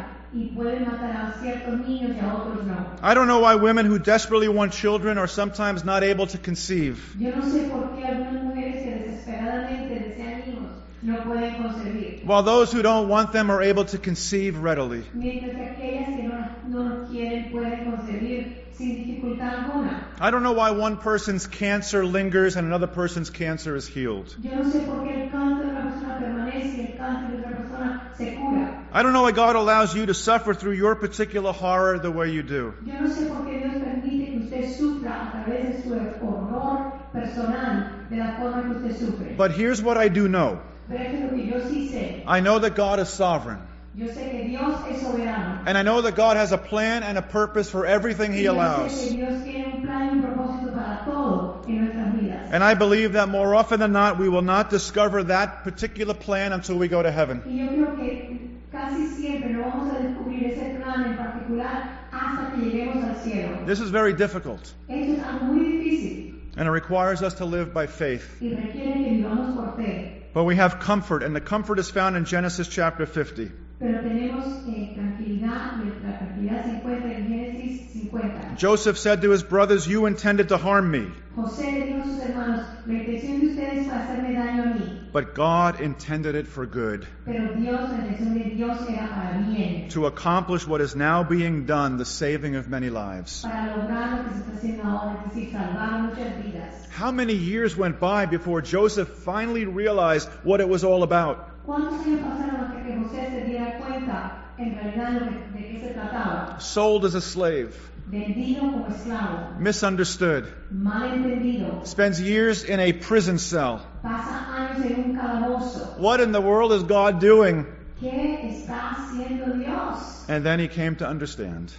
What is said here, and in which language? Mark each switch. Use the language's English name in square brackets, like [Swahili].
[Spanish] Y pueden matar a ciertos niños y a otros no. [English] I don't know why women who desperately want children are sometimes not able to conceive. [Spanish] Yo no sé por qué algunas mujeres que desesperadamente desean hijos no pueden concebir. [English] While those who don't want them are able to conceive readily. [Spanish] Mientras que aquellas que no quieren pueden concebir sin dificultad alguna. [English] I don't know why one person's cancer lingers and another person's cancer is healed. [Spanish] Yo no sé por qué el cáncer de una persona permanece y el cáncer de otra persona se cura. [English] I don't know why God allows you to suffer through your particular horror the way you do. [Spanish] Yo no sé por qué Dios permite que usted sufra a través de su horror personal de la forma que usted sufre. [English] But here's what I do know. [Spanish] Pero esto es lo que yo sí sé. [English] I know that God is sovereign. [Spanish] Yo sé que Dios es soberano. [English] And I know that God has a plan and a purpose for everything He allows. [Spanish] Y yo sé que Dios tiene un plan y un propósito para todo en nuestras vidas. [English] And I believe that more often than not, we will not discover that particular plan until we go to heaven. [Spanish] Y yo creo que casi siempre no vamos a descubrir ese plan en particular hasta que lleguemos al cielo. [English] This is very difficult. [Spanish] Eso es algo muy difícil. [English] And it requires us to live by faith. [Spanish] Y requiere que vivamos por fe. [English] But we have comfort, and the comfort is found in Genesis chapter 50. [Spanish] Pero tenemos tranquilidad, y la tranquilidad se encuentra en Génesis 50. [English] Joseph said to his brothers, "You intended to harm me." [Spanish] José le dijo a sus hermanos, la intención de ustedes fue hacerme daño a mí. [English] But God intended it for good. [Spanish] Pero Dios, la intención de Dios era para bien. [English] To accomplish what is now being done, the saving of many lives. [Spanish] Para lograr lo que se está haciendo ahora, es decir, salvar muchas vidas. [English] How many years went by before Joseph finally realized what it was all about? [Spanish] ¿Cuántos años pasaron hasta que José se diera cuenta en realidad de qué se trataba? [English] Sold as a slave. [Spanish] Vendido como esclavo. [English] Misunderstood. [Spanish] Mal entendido. [English] Spends years in a prison cell. [Spanish] Pasa años en un calabozo. [English] What in the world is God doing? [Spanish] ¿Qué está haciendo Dios? [English] And then he came to understand.